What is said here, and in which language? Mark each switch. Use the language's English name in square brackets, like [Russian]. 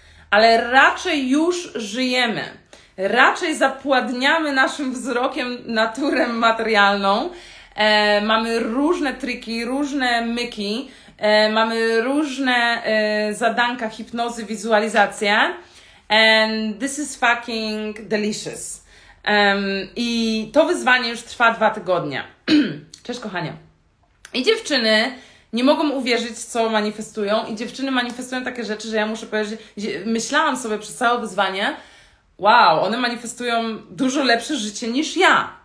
[Polish] Ale raczej już żyjemy. Raczej zapładniamy naszym wzrokiem naturę materialną. Mamy różne triki, różne myki. Mamy różne zadanka, hipnozy, wizualizacje. [English] And this is fucking delicious. [Polish] I to wyzwanie już trwa 2 tygodnie. Cześć, kochanie. I dziewczyny nie mogą uwierzyć, co manifestują. I dziewczyny manifestują takie rzeczy, że ja muszę powiedzieć, myślałam sobie przez całe wyzwanie, wow, one manifestują dużo lepsze życie niż ja.